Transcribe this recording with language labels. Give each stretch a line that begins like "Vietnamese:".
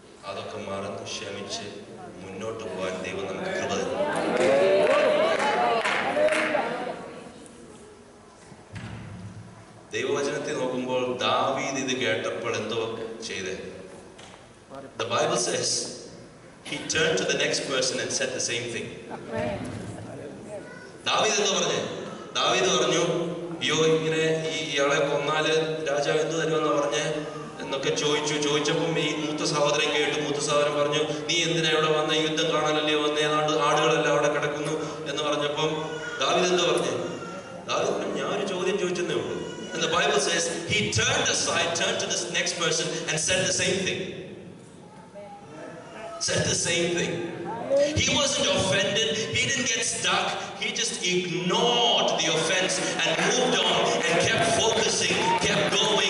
Malayalam: അതൊക്കെ മറന്ന് ക്ഷമിച്ച് മുന്നോട്ട് പോകാൻ ദൈവം നമുക്ക് കൃപ തരും. ദൈവവചനത്തെ നോക്കുമ്പോൾ ദാവീദ് ഇത് കേട്ടപ്പോൾ എന്തോ ചെയ്തേ?
English: The Bible says he turned to the next person and said the same thing.
Malayalam: ദാവീദ് എന്താ പറഞ്ഞേ? ദാവീദ് പറഞ്ഞു, അയ്യോ ഇങ്ങനെ ഈ ഇയാളെ കൊന്നാല് രാജാവ് എന്തു തരുമെന്നാ പറഞ്ഞേ എന്നൊക്കെ ചോദിച്ചു. ചോദിച്ചപ്പം ഈ മൂത്ത സഹോദരൻ കേട്ട്, മൂത്ത സഹോദരൻ പറഞ്ഞു, നീ എന്തിനാ ഇവിടെ വന്ന, യുദ്ധം കാണാനല്ലേ വന്നേ, ഏതാണ്ട് ആടുകളെല്ലാം അവിടെ കിടക്കുന്നു എന്ന് പറഞ്ഞപ്പം ദാവീദ് എന്തു പറഞ്ഞേ? ദാവീദ് പറഞ്ഞു, ഞാനൊരു ചോദ്യം ചോദിച്ചതേ ഉള്ളൂ.
English: And the Bible says he turned aside, turned to this next person and said the same thing. Said the same thing. He wasn't offended. He didn't get stuck. He just ignored the offense and moved on and kept focusing, kept going.